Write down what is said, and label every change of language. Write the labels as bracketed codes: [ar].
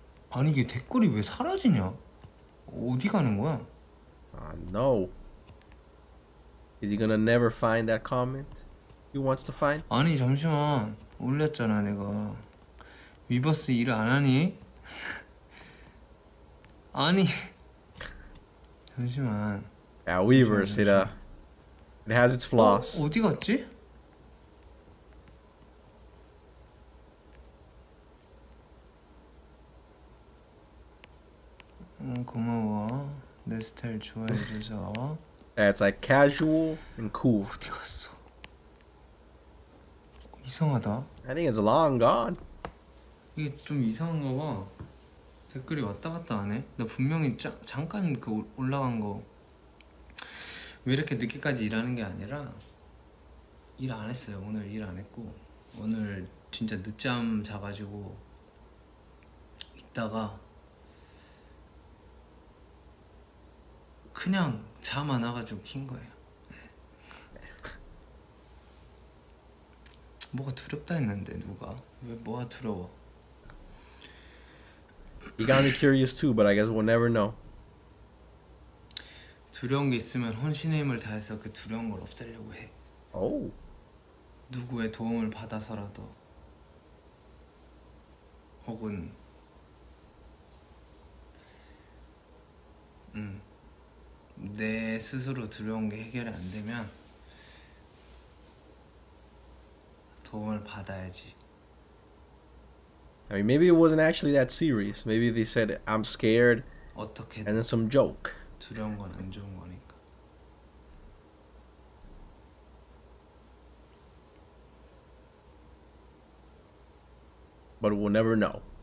[ko] 아니 이게 댓글이 왜 사라지냐? 어디 가는 거야? [en] No. Is he gonna never find that comment? He wants to find? [ko] 아니 잠시만 올렸잖아 내가 위버스 일을 안 하니? 아니 잠시만 [en] 야 yeah, Weverse it has its flaws [ko] 어디 갔지? 고마워 내 스타일 좋아해줘서 [en] yeah, it's like casual and cool [ko] 어디 갔어? 이상하다. [en] I think it's long gone. [ko] 이게 좀 이상한가 봐. 댓글이 왔다 갔다 안 해. 나 분명히 잠깐 그 올라간 거. 왜 이렇게 늦게까지 일하는 게 아니라 일 안 했어요. 오늘 일 안 했고 오늘 진짜 늦잠 자가지고 있다가 그냥 잠 안 와가지고 킨 거예요. 뭐가 두렵다 했는데 누가 왜 뭐가 두려워? [en] He got me curious too, but I guess we'll never know. [ko] 두려운 게 있으면 혼신의 힘을 다해서 그 두려운 걸 없애려고 해. 오. 누구의 도움을 받아서라도 혹은 내 스스로 두려운 게 해결이 안 되면. 도움을 받아야지. [en] I mean, maybe it wasn't actually that serious. Maybe they said, I'm scared. [ko] 어떻게든. [en] And then some joke. [ko] 두려운 건 안 좋은 거니까. [en] But we'll never know.